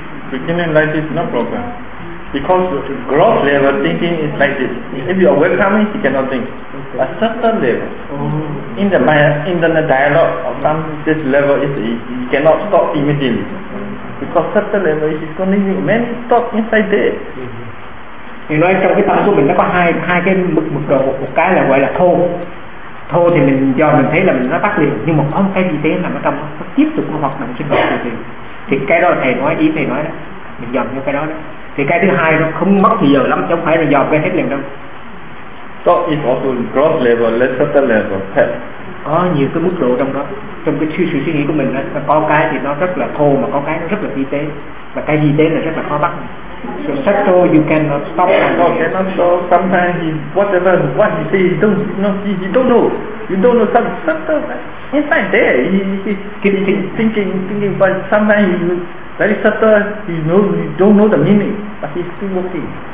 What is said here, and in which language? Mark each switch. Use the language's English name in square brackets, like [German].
[English] Beginning like this, no problem. Because gross level thinking is like this. If you are welcoming, you cannot think. But certain level, in the mind, in the dialogue of some this level, is you cannot stop immediately. Because certain level, it's going to be many thoughts inside there. [Vietnamese] Thì nói trong cái tâm của mình nó có hai cái mực độ, một cái là gọi là thô. Thô thì mình do mình thấy là mình nó tắt liền, nhưng mà có một cái gì thế nằm ở trong nó tiếp tục hoạt động sinh hoạt được liền. Thì cái đó thầy nói, ý thầy nói đó, mình dòm cho cái đó đó. Thì cái thứ hai nó không mất thì giờ lắm, chứ không phải là dòm cái hết liền đâu. [English] Thought is also gross level, lesser level, head. [Vietnamese] Có nhiều cái mức độ trong đó, trong cái sự suy nghĩ của mình đó, có cái thì nó rất là thô mà có cái nó rất là vi tế, và cái vi tế là rất là khó bắt. [English] So subtle you cannot stop. Sometimes whatever he say, you don't know some subtle inside there. He's thinking, but sometimes he very subtle, he knows, you don't know the meaning, but he's still working.